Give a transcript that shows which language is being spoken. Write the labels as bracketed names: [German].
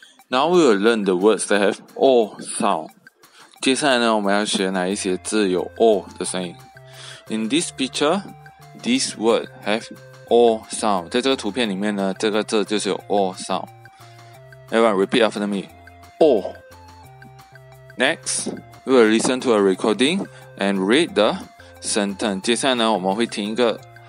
[English] Now we will learn the words that have O sound. [Chinese] 接下来呢，我们要学哪一些字有 O 的声音。 [English] In this picture, this word have O sound. [Chinese] 在这个图片里面呢，这个字就是有 O sound. [English] Everyone, repeat after me. O. Next, we will listen to a recording and read the sentence. [Chinese] 接下来呢，我们会听一个